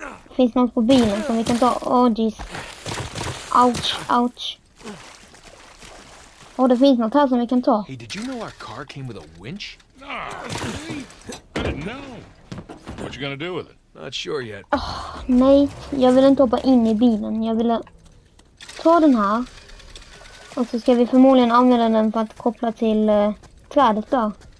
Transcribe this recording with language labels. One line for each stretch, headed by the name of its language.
Swedish: Finns något på bilen som vi kan ta?
English: Åh, jeez. Ouch, ouch.
Swedish: Åh, det finns något här som vi kan ta.
English: Hey, did you know our car came with a winch? Nah, I didn't know. What you gonna do with it? Not sure yet.
Swedish: Nej, jag vill inte hoppa in i bilen. Jag vill ta den här. Och så ska vi förmodligen använda den för att koppla till trädet då.